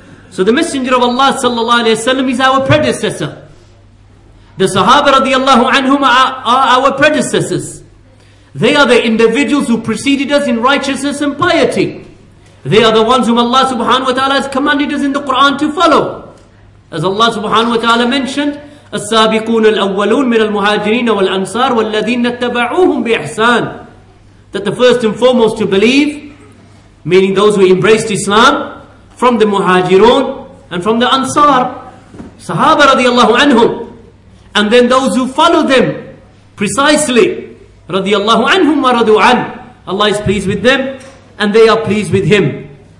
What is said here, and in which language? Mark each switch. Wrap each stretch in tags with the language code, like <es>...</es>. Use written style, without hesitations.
<en>So the Messenger of Allah sallallahu alayhi wa sallam is our predecessor. The Sahaba radiallahu anhum are our predecessors. They are the individuals who preceded us in righteousness and piety. They are the ones whom Allah subhanahu wa ta'ala has commanded us in the Quran to follow. As Allah subhanahu wa ta'ala mentioned,</en> <ar>السابقون الأولون من المهاجرين والأنصار والذين اتبعوهم بإحسان.</ar> <en>That the first and foremost to believe, meaning those who embraced Islam, from the muhajirun and from the ansar, Sahaba radiallahu anhum, and then those who follow them precisely, radiallahu anhum wa radu an, Allah is pleased with them and they are pleased with him.</en>